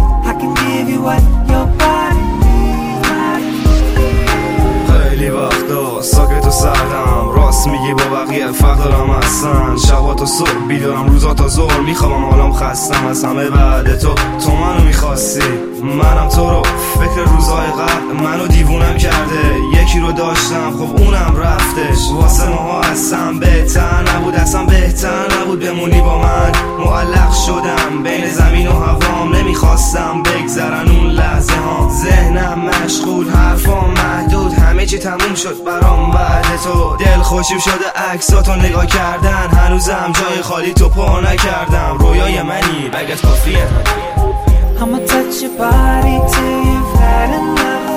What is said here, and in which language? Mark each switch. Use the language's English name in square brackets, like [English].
[English] I can give you what your body needs. [Persian] خیلی وقتا ساکت و سردم، راست میگی با بقیه فرق دارم اصلا. شبا تا صبح بیدارم، روزا تا ظهر میخوابم، حالم خستم از همه بعد تو. تو منو میخواستی، منم تو رو. فکر روزای قبل منو دیوونم کرده، یکی رو داشتم خب اونم رفتش. واسه ماها اصلا بهتر نبود، اصلا بهتر نبود بمونی با من. معلق شدم بین زمین و هوام، نمیخواستم بگذرن اون لحظه ها. ذهنم مشغول، حرفام محدود، همه چی تموم شد برام بعد تو. دل خوشیم شده عکساتو نگاه کردن، هنوزم جای خالی تو پا نکردم. رویای منی بگت کافیه. [English] I'ma touch your body till you've had enough.